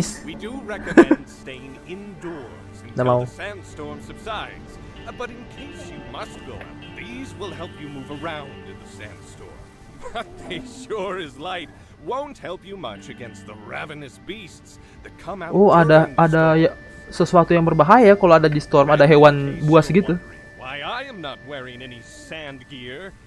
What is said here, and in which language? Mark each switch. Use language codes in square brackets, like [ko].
[en] We do recommend staying indoors until the sandstorm subsides. But in case you must go out, these will help you move around in the sandstorm. But they sure as light won't help you much against the ravenous beasts that come out. [id] Ada ya, sesuatu yang berbahaya kalau ada di storm, ada hewan buas gitu. [en] Why I am not wearing any sand gear.